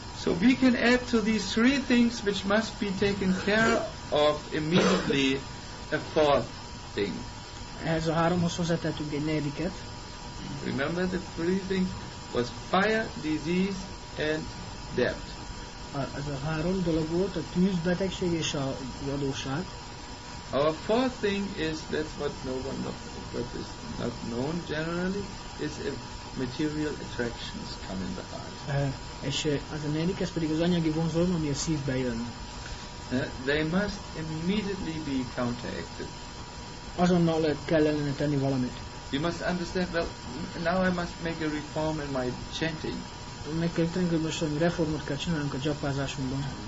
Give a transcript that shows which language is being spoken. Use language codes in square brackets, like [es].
[en] So we can add to these three things which must be taken care of immediately a fourth thing. [hu] Ehhez a háromhoz hozzátettünk egy negyediket. [en] Remember the three things was fire, disease and debt. [hu] Ez a három dolog volt, a tűz, betegség és a adósság. [en] Our fourth thing is, that's what no one knows, but is not known generally, is if material attractions come in the heart. [hu] És az a negyedik, ez pedig az anyagi vonzalom, ami a szívbe jön. [en] They must immediately be counteracted. [hu] Azonnal kell ellene tenni valamit. [en] You must understand, well, now I must make a reform in my chanting. [hu] Meg kell tenni, hogy most reformot kell csinálnunk a dzsapázásunkban.